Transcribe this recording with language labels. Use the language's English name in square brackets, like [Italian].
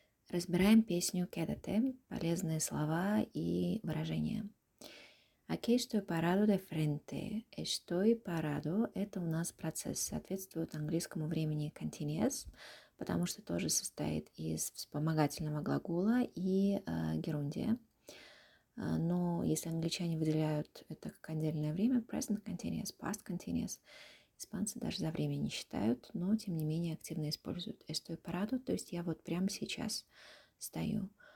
[Russian] Разбираем песню «Quédate» – полезные слова и выражения. [Spanish] «Aquí estoy parado de frente». «Estoy parado» [Russian] – это у нас процесс, соответствует английскому времени «continuous», потому что тоже состоит из вспомогательного глагола и герундия. Но если англичане выделяют это как отдельное время, present continuous, past continuous, испанцы даже за время не считают, но тем не менее активно используют [Spanish] «estoy parado», [Russian] то есть я вот прямо сейчас стою.